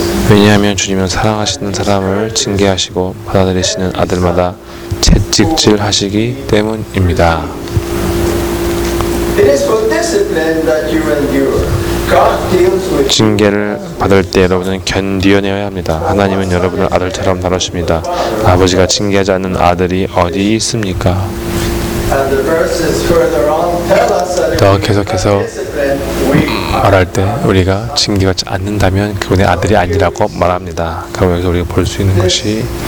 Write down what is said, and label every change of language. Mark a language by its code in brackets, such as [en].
[ko] 왜냐하면 주님은 사랑하시는 사람을 징계하시고 받아들이시는 아들마다 채찍질하시기 때문입니다. [en] It is for discipline that you endure. God deals with you. [ko] 징계를 받을 때 여러분은 견뎌내야 합니다. 하나님은 여러분을 아들처럼 다루십니다. 아버지가 징계하지 않는 아들이 어디 있습니까? [en] And the verses further on tell us that [ko] 더 계속해서 말할 때 우리가 징계받지 않는다면 그분의 아들이 아니라고 말합니다. 그럼 여기서 우리가 볼 수 있는 것이